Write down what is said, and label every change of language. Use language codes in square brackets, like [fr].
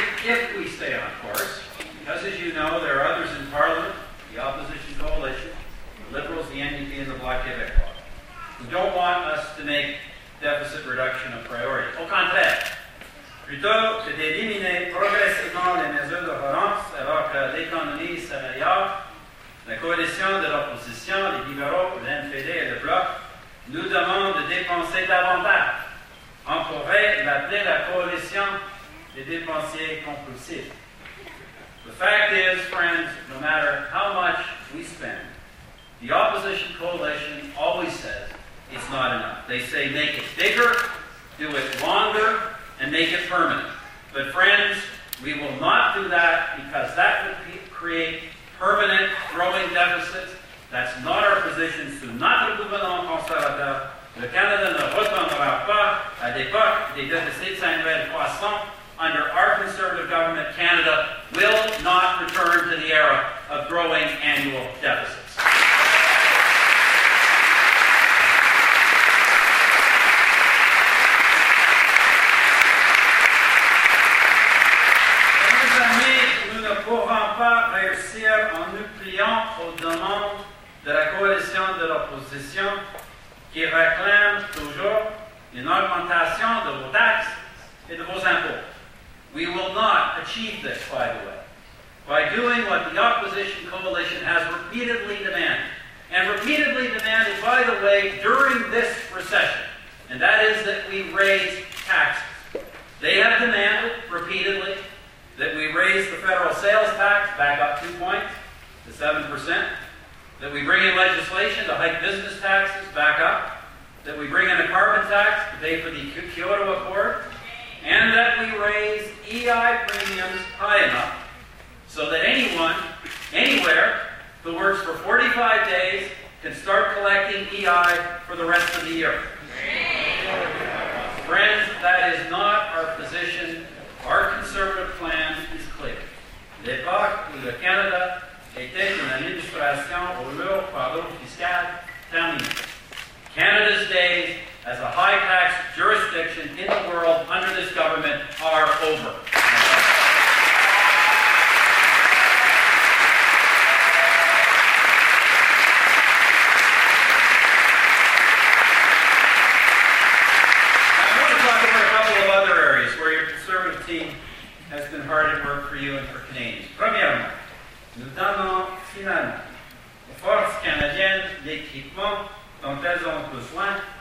[en] If we stay on course, because as you know, there are others in Parliament, the opposition coalition, the Liberals, the NDP, and the Bloc Québécois, who don't want us to make deficit reduction a priority. [fr] Au contraire, plutôt que d'éliminer progressivement les mesures de relance alors que l'économie s'améliore, la coalition de l'opposition, les libéraux, l'NPD et le Bloc nous demandent de dépenser davantage. On pourrait l'appeler la coalition et dépensier compulsif. [en] The fact is, friends, no matter how much we spend, the opposition coalition always says it's not enough. They say make it bigger, do it longer and make it permanent. But friends, we will not do that because that would create permanent growing deficits. That's not our position. [fr] Sous notre gouvernement conservateur, le Canada ne retournera pas à l'époque des déficits annuels croissants. [en] Under our conservative government, Canada will not return to the era of growing annual deficits. [fr] Mes amis, nous ne pourrons pas réussir en nous pliant aux demandes de la coalition de l'opposition qui réclame toujours une augmentation de vos taxes et de vos impôts. [en] We will not achieve this, by the way, by doing what the opposition coalition has repeatedly demanded, and repeatedly demanded, by the way, during this recession, and that is that we raise taxes. They have demanded repeatedly that we raise the federal sales tax back up 2 points to 7%, that we bring in legislation to hike business taxes back up, that we bring in a carbon tax to pay for the Kyoto Accord, and that we raise EI premiums high enough so that anyone, anywhere, who works for 45 days can start collecting EI for the rest of the year. Friends, that is not our position. Our conservative plan is clear. [fr] L'époque où le Canada était une administration au lourd fardeau fiscal terminé. [en] Canada's days as a high tax jurisdiction in the world under this government are over. I want to talk about a couple of other areas where your conservative team has been hard at work for you and for Canadians. [fr] Premièrement, nous donnons finalement aux forces canadiennes l'équipement dont elles ont besoin.